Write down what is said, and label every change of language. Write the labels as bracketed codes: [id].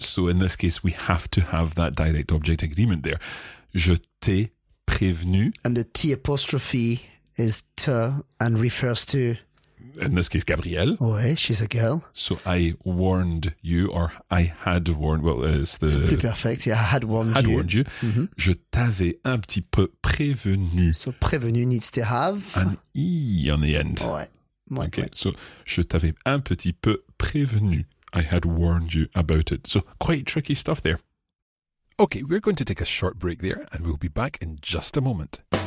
[en] So in this case, we have to have that direct object agreement there. [fr] Je t'ai prévenu. [en] And the T apostrophe is te and refers to... In this case, Gabrielle. Oui, she's a girl. So I warned you, or I had warned, well, it's the... C'est plus perfect, yeah, I had warned had you. Had warned you. Mm-hmm. [fr] Je t'avais un petit peu prévenu. [en] So prévenu needs to have... An I on the end. [fr] Oui. Ouais, okay, ouais. So je t'avais un petit peu prévenu. [en] I had warned you about it. So quite tricky stuff there. Okay, we're going to take a short break there, and we'll be back in just a moment.